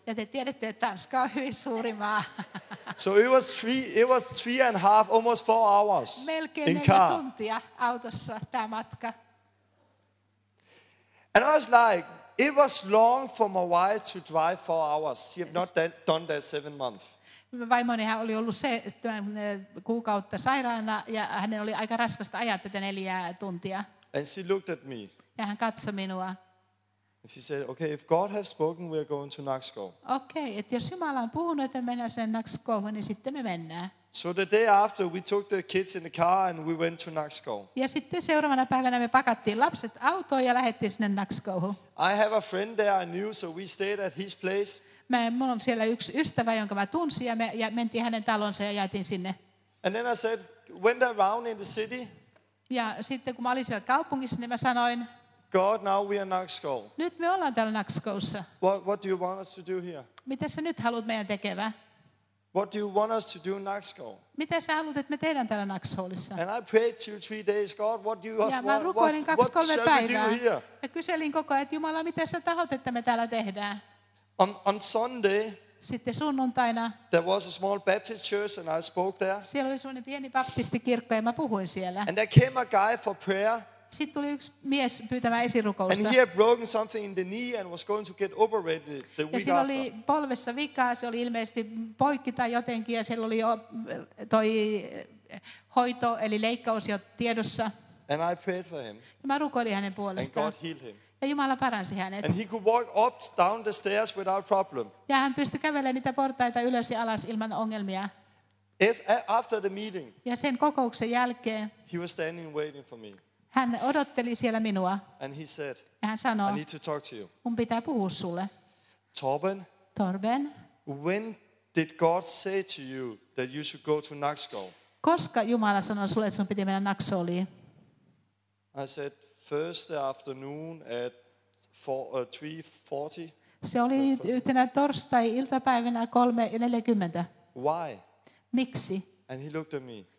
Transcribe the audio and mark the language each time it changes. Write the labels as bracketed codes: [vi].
[fi] Ja te tiedätte, että Tanska on hyvin suuri maa. [en] So it was three and a half, almost 4 hours. [fi] Melkein [en] in car. [fi] Tuntia autossa tämä matka. [en] And I was like, it was long for my wife to drive 4 hours. She had not done that 7 months. [fi] Vaimonihan oli ollut se kuukautta sairaana ja hänen oli aika raskasta ajaa tätä 4 tuntia. [en] And she looked at me. [fi] Ja hän katsoi minua. [en] And she said, okay, if God has spoken, we are going to Nakskov. [fi] Okay, et jos Jumala on puhunut, että mennään sen Nakskovhan, niin sitten me mennään. [en] So the day after, we took the kids in the car and we went to Nakskov. [fi] Ja sitten seuraavana päivänä me pakattiin lapset autoon ja lähdettiin sinne Nakskovhan. [en] I have a friend there I knew, so we stayed at his place. [fi] Mulla on siellä yksi ystävä, jonka mä tunsin, ja me mentiin hänen talonsa ja jäätiin sinne. [en] And then I said, went around in the city. [fi] Ja sitten kun mä olin siellä kaupungissa, niin mä sanoin, [en] God, now we are Nakskov. [fi] Nyt me ollaan täällä Nakskovssa. [en] What do you want us to do here? [fi] Mitä sä nyt haluat meidän tekevää? [en] What do you want us to do in Nakskov? [fi] Mitä sä haluat, että me tehdään täällä Nakskovissa? [en] And I prayed 2-3 days, God, what do you [fi] ask? Ja mä rukoilin 2-3 päivää. Ja kyselin koko ajan, että Jumala, mitä sä tahot, että me täällä tehdään? [en] On Sunday. [fi] Sitten sunnuntaina. [en] There was a small Baptist church and I spoke there. [fi] Siellä oli semmoinen pieni baptistikirkko ja mä puhuin siellä. [en] And there came a guy for prayer. [fi] Sitten tuli yksi mies pyytämään esirukousta. [en] And he had broken something in the knee and was going to get operated the week after. [fi] Ja siellä oli polvessa vikaa, se oli ilmeisesti poikki tai jotenkin, ja siellä oli toi hoito eli leikkaus jo tiedossa. [en] And I prayed for him. [fi] Ja mä rukoilin hänen puolestaan. [en] And God healed him. [fi] Ja Jumala paransi hänet. [en] And he could walk up down the stairs without problem. [fi] Ja hän pystyi kävelemään niitä portaita ylös ja alas ilman ongelmia. [en] If after the meeting. [fi] Ja sen kokouksen jälkeen. [en] He was standing waiting for me. [fi] Hän odotteli siellä minua. [en] And he said, [fi] ja hän sanoi, [en] I need to talk to you. [fi] Mun pitää puhua sulle. [en] Torben. When did God say to you that you should go to Nakskov? [fi] Koska Jumala sanoi sulle, että sun piti mennä Nakskoviin? [en] I said, Thursday afternoon at 3:40. [fi] Se oli yhtenä torstai-iltapäivänä 3:40. [en] Why? [fi] Miksi? [en] And he looked at me.